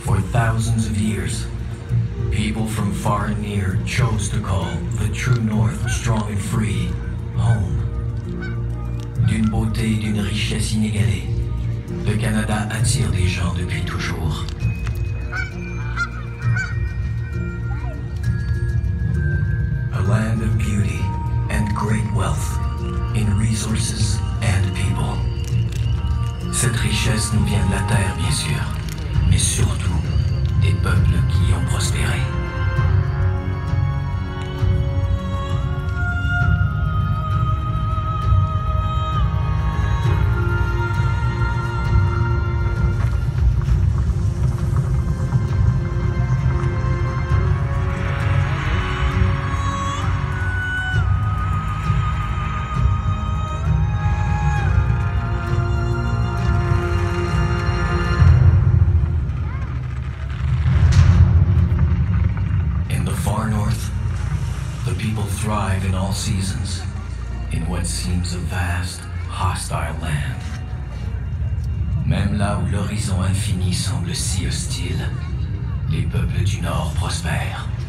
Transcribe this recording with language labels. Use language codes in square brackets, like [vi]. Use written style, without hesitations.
[en] Thousands of years, people from far and near chose to call the true north, strong and free, home. [fr] D'une beauté et d'une richesse inégalée, le Canada attire des gens depuis toujours. [en] A land of beauty and great wealth in resources and people. [fr] Cette richesse nous vient de la terre, bien sûr, mais surtout des peuples qui ont prospéré. [en] far north, the people thrive in all seasons, in what seems a vast, hostile land. [fr] Même là où l'horizon infini semble si hostile, les peuples du Nord prospèrent.